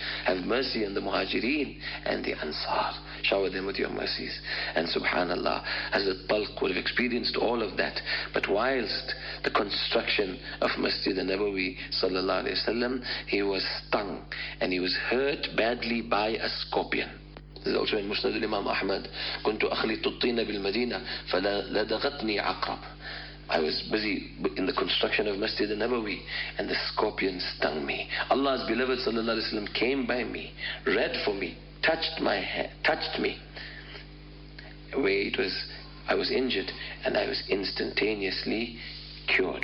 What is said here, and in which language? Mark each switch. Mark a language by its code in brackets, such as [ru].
[en] Have mercy on the muhajireen and the ansar. Shower them with your mercies. And subhanallah, Hazrat Thalq would have experienced all of that. But whilst the construction of Masjid al-Nabawi sallallahu alayhi wa sallam, he was stung and he was hurt badly by a scorpion. This is also in Musnad al-Imam Ahmad. [ar] كنت أخلط الطين بالمدينة فلدغتني عقرب. [en] I was busy in the construction of Masjid al-Nabawi and the scorpion stung me. Allah's beloved sallallahu alayhi wa sallam came by me, read for me, touched me where I was injured, and I was instantaneously cured.